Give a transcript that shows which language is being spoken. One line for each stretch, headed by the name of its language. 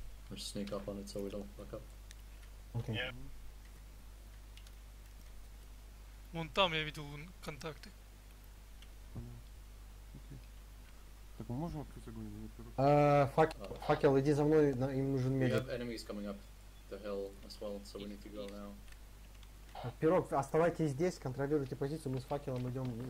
English: Or sneak up on it so we don't fuck up. Okay. Yeah.
Russian: Вон там я видел контакты. Так мы можем открыть огонь? Факел, иди за мной, им нужен медик.
English: We have enemies coming up the hill as well, so we need to go now.
Russian: Пирог, оставайтесь здесь, контролируйте позицию, мы с факелом идем.